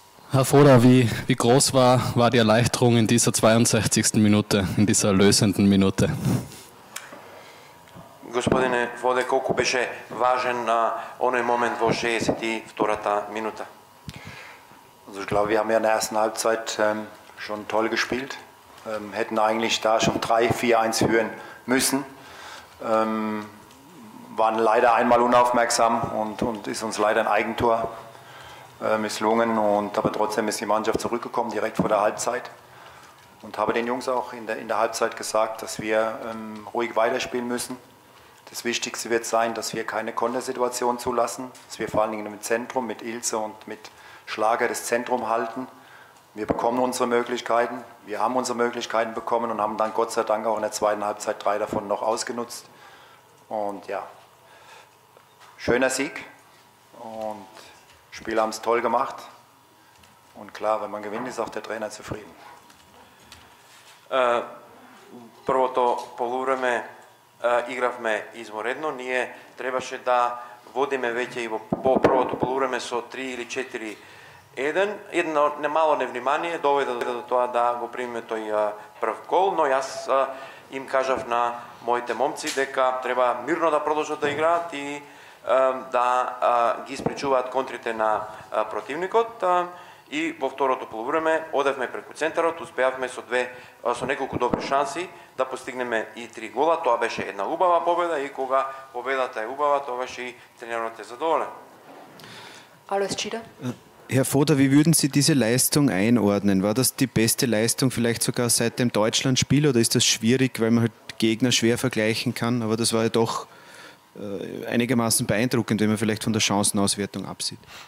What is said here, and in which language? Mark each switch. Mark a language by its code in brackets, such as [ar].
[de] Herr Foda, wie groß war die Erleichterung in dieser 62. Minute, in dieser erlösenden Minute? [mk] Господине Фоде, колку беше важен оној момент во 62-та минута? [de] Also ich glaube, wir haben ja in der ersten Halbzeit schon toll gespielt. Hätten eigentlich da schon 3-4-1 führen müssen. Waren leider einmal unaufmerksam und ist uns leider ein Eigentor misslungen. Aber trotzdem ist die Mannschaft zurückgekommen, direkt vor der Halbzeit. Und habe den Jungs auch in der Halbzeit gesagt, dass wir ruhig weiterspielen müssen. Das Wichtigste wird sein, dass wir keine Kontersituation zulassen. Dass wir vor allen Dingen im Zentrum mit Ilse und mit Schlager das Zentrum halten. Wir bekommen unsere Möglichkeiten. Wir haben unsere Möglichkeiten bekommen und haben dann Gott sei Dank auch in der zweiten Halbzeit 3 davon noch ausgenutzt. Und ja, schöner Sieg. Und Spieler haben es toll gemacht. Und klar, wenn man gewinnt, ist auch der Trainer zufrieden. [mk] Proto polureme игравме изморедно, ние требаше да водиме веќе и во првото полувреме со 3 или 4-1. Едно немало невнимание доведе до тоа да го примеме тој прв гол, но јас им кажав на моите момци дека треба мирно да продолжат да играат и да ги спречуваат контрите на противникот. И во второто полувреме одевме преку центарот, успеавме со неколку добри шанси да постигнеме и 3 гола. Тоа беше една убава победа и кога победата е убава, тоа беше и тренерот е задоволен. [de] Alles Chida. Herr Foda, wie würden Sie diese Leistung einordnen? War das die beste Leistung vielleicht sogar seit dem Deutschlandspiel oder ist das schwierig, weil man halt Gegner schwer vergleichen kann, aber das war ja doch einigermaßen beeindruckend, wenn man vielleicht von der Chancenauswertung absieht.